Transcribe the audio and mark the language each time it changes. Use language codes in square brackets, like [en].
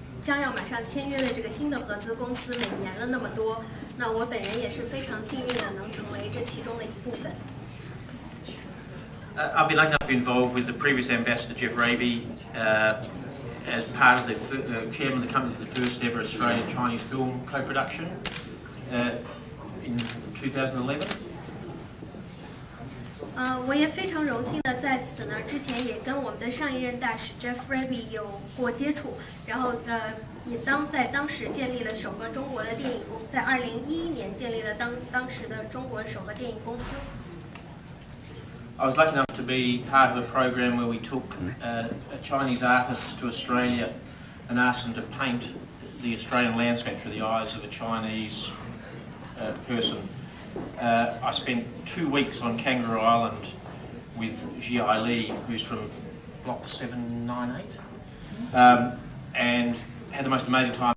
[zh] 将要马上签约的这个新的合资公司，每年了那么多，那我本人也是非常幸运的，能成为这其中的一部分。 [en] I've been lucky enough to be involved with the previous ambassador Jeff Raby, as part of the chairman of the company of the first ever Australian Chinese film co-production in 2011. [zh] 我也非常荣幸的在此呢，之前也跟我们的上一任大使 Jeff Raby 有过接触，然后也当时建立了首个中国的电影公司，在2011年建立了当时的中国首个电影公司。 [en] I was lucky enough to be part of a program where we took Chinese artists to Australia and asked them to paint the Australian landscape through the eyes of a Chinese person. I spent 2 weeks on Kangaroo Island with Xi Li, who's from Block 798, and had the most amazing time.